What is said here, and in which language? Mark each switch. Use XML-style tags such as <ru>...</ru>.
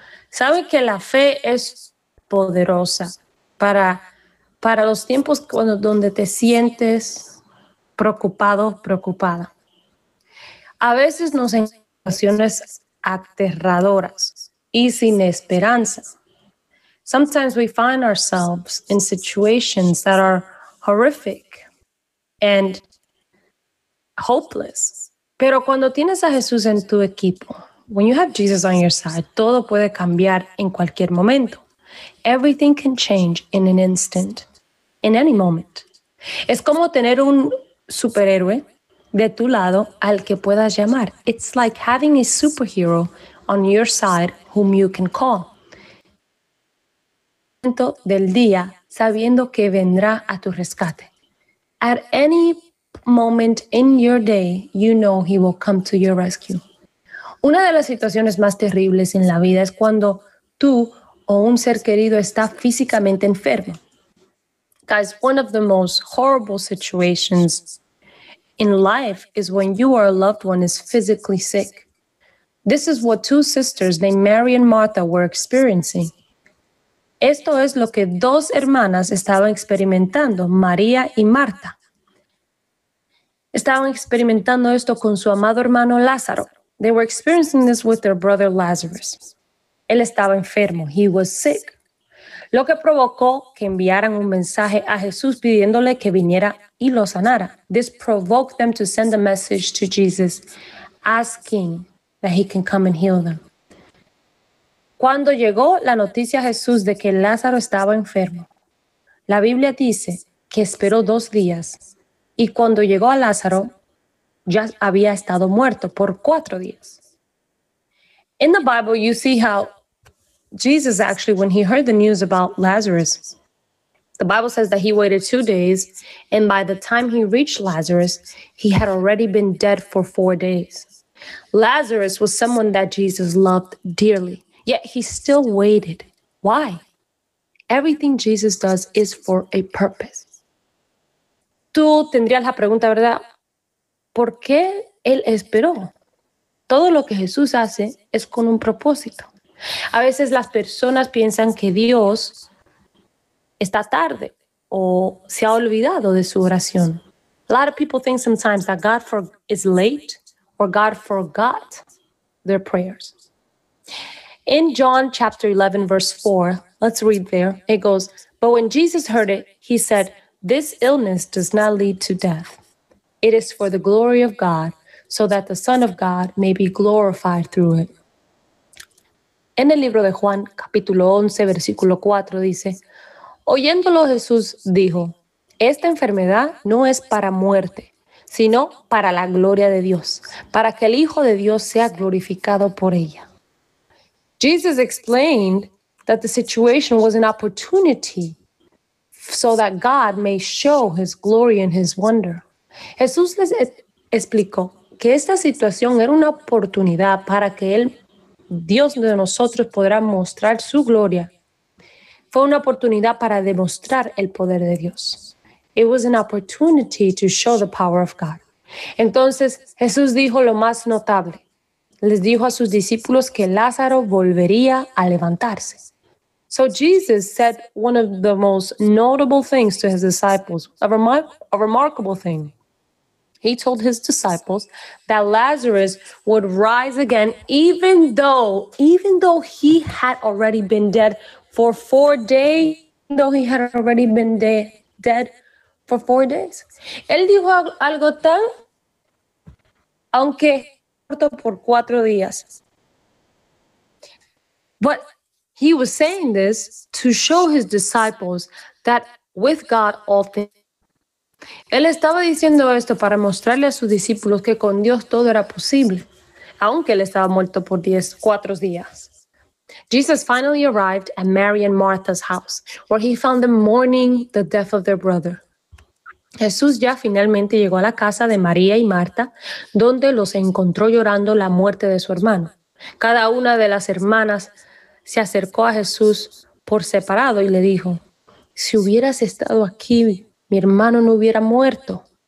<es>¿Saben que la fe es poderosa para los tiempos donde te sientes preocupado, preocupada? A veces nos encontramos en situaciones aterradoras y sin esperanza.</es> <en>Sometimes we find ourselves in situations that are horrific and hopeless.</en> <es>Pero cuando tienes a Jesús en tu equipo,</es> <en>when you have Jesus on your side,</en> <es>todo puede cambiar en cualquier momento.</es> <en>Everything can change in an instant, in any moment.</en> <es>Es como tener un superhéroe de tu lado al que puedas llamar.</es> <en>It's like having a superhero on your side whom you can call</en> <es>del día, sabiendo que vendrá a tu rescate.</es> <en>At any moment in your day, you know he will come to your rescue.</en> <es>Una de las situaciones más terribles en la vida es cuando tú o un ser querido está físicamente enfermo.</es> <en>Guys, one of the most horrible situations in life is when you or a loved one is physically sick. This is what two sisters named Mary and Martha were experiencing.</en> <es>Esto es lo que dos hermanas estaban experimentando, María y Marta. Estaban experimentando esto con su amado hermano Lázaro. They were experiencing this with their brother Lazarus. Él estaba enfermo.</es> <en>He was sick.</en> <es>Lo que provocó que enviaran un mensaje a Jesús pidiéndole que viniera y lo sanara.</es> <en>This provoked them to send a message to Jesus asking that he can come and heal them.</en> <es>Cuando llegó la noticia a Jesús de que Lázaro estaba enfermo, la Biblia dice que esperó 2 días y cuando llegó a Lázaro ya había estado muerto por 4 días.</es> <en>In the Bible, you see how Jesus actually, when he heard the news about Lazarus, the Bible says that he waited 2 days and by the time he reached Lazarus, he had already been dead for 4 days. Lazarus was someone that Jesus loved dearly. Yet he still waited. Why? Everything Jesus does is for a purpose.</en> <es>Tú tendrías la pregunta, ¿verdad? ¿Por qué él esperó? Todo lo que Jesús hace es con un propósito. A veces las personas piensan que Dios está tarde o se ha olvidado de su oración.</es> <en>A lot of people think sometimes that God is late or God forgot their prayers. In John chapter 11, verse 4, let's read there. It goes, but when Jesus heard it, he said, This illness does not lead to death. It is for the glory of God, so that the Son of God may be glorified through it.</en> <es>En el libro de Juan, capítulo 11, versículo 4, dice, oyéndolo Jesús dijo, esta enfermedad no es para muerte, sino para la gloria de Dios, para que el Hijo de Dios sea glorificado por ella.</es> <en>Jesus explained that the situation was an opportunity so that God may show his glory and his wonder.</en> <es>Jesús les explicó que esta situación era una oportunidad para que el Dios de nosotros podrá mostrar su gloria. Fue una oportunidad para demostrar el poder de Dios.</es> <en>It was an opportunity to show the power of God.</en> <es>Entonces, Jesús dijo lo más notable. Les dijo a sus discípulos que Lázaro volvería a levantarse.</es> <en>So Jesus said one of the most notable things to his disciples, a remarkable thing. He told his disciples that Lazarus would rise again, even though he had already been dead for 4 days,</en> <es>Él dijo algo tan, aunque muerto por 4 días.</es> <en>But he was saying this to show his disciples that with God all things.</en> <es>Él estaba diciendo esto para mostrarle a sus discípulos que con Dios todo era posible, aunque él estaba muerto por 4 días.</es> <en>Jesus finally arrived at Mary and Martha's house, where he found them mourning the death of their brother.</en> <es>Jesús ya finalmente llegó a la casa de María y Marta, donde los encontró llorando la muerte de su hermano. Cada una de las hermanas se acercó a Jesús por separado y le dijo, si hubieras estado aquí, mi hermano no hubiera muerto.</es>